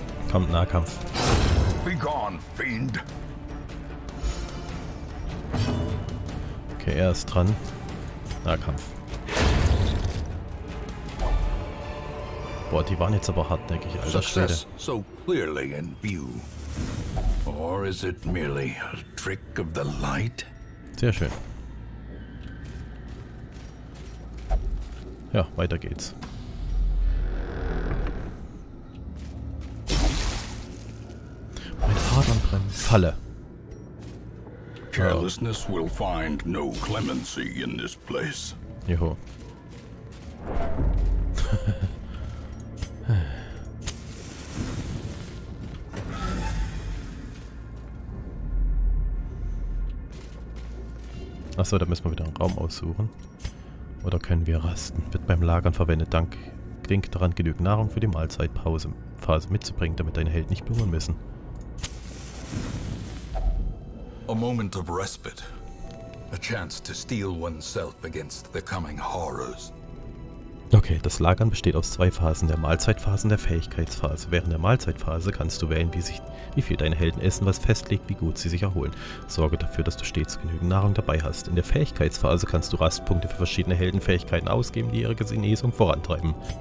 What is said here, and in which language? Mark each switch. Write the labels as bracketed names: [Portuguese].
[German] Komm, Nahkampf. [English] Be gone, Fiend. [German] Okay, er ist dran. Nahkampf. Boah, die waren jetzt aber hartnäckig, Alter. [English] Success so clearly in view. Or is it merely a trick of the light? [German] Sehr schön. Ja, weiter geht's. Mein Adern brennt. Falle. [English] Carelessness will find no clemency in this place. Joho. [German] Achso, da müssen wir wieder einen Raum aussuchen. Oder können wir rasten? Wird beim Lagern verwendet. Denk daran, genügend Nahrung für die Mahlzeitphase mitzubringen, damit deine Helden nicht berühren müssen. [English] A moment of respite. A chance to steel oneself against the coming horrors. [German] Okay, das Lagern besteht aus zwei Phasen, der Mahlzeitphase und der Fähigkeitsphase. Während der Mahlzeitphase kannst du wählen, wie viel deine Helden essen, was festlegt, wie gut sie sich erholen. Sorge dafür, dass du stets genügend Nahrung dabei hast. In der Fähigkeitsphase kannst du Rastpunkte für verschiedene Heldenfähigkeiten ausgeben, die ihre Genesung vorantreiben.